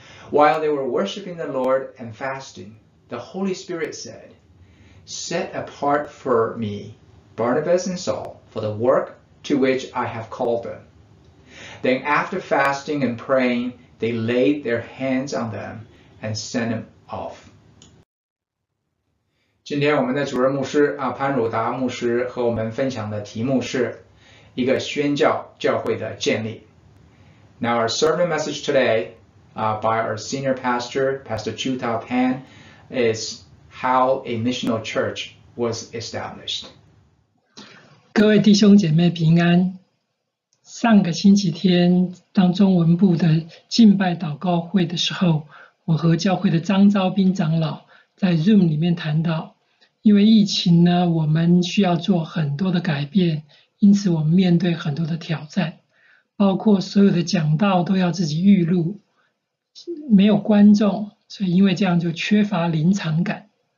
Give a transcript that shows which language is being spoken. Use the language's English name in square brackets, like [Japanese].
[English] While they were worshiping the Lord and fasting, the Holy Spirit said, Set apart for me Barnabas and Saul for the work to which I have called them. Then after fasting and praying, they laid their hands on them and sent them off. [Chinese] 今天我们的主任牧师啊，潘汝达牧师和我们分享的题目是一个宣教教会的建立。 [English] Now our sermon message today, by our senior pastor, Pastor Chiu Tao Pan, is how a missional church was established. [Chinese] 各位弟兄姐妹平安。上个星期天，当中文部的敬拜祷告会的时候，我和教会的张昭斌长老在 Zoom 里面谈到，因为疫情呢，我们需要做很多的改变，因此我们面对很多的挑战，包括所有的讲道都要自己预录，没有观众，所以因为这样就缺乏临场感。